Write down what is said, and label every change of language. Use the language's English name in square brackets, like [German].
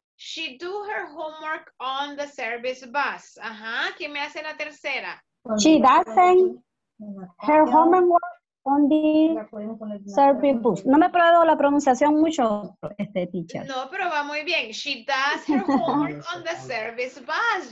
[English] She do her homework on the service bus. [Spanish] Ajá. ¿Quién me hace la tercera? [English] She doesn't her homework on the service bus. [Spanish] No me pruebo la pronunciación mucho, este teacher. No, pero va muy bien. [English] She does her homework on the service bus.